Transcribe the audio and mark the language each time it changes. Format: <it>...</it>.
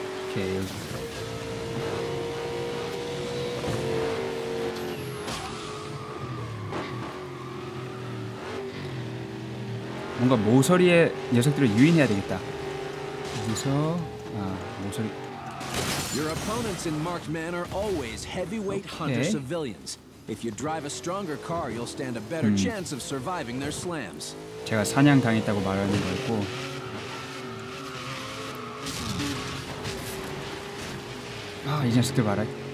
<ko>오케이. 뭔가 모서리에 녀석들을 유인해야 되겠다. 여기서 모서리.</ko> <en>Your opponents in marked man are always heavyweight hunter civilians. If you drive a stronger car, you'll stand a better chance of surviving their slams.</en> <ko>제가 사냥 당했다고 말하는 거였고. 이 녀석들 봐라.</ko>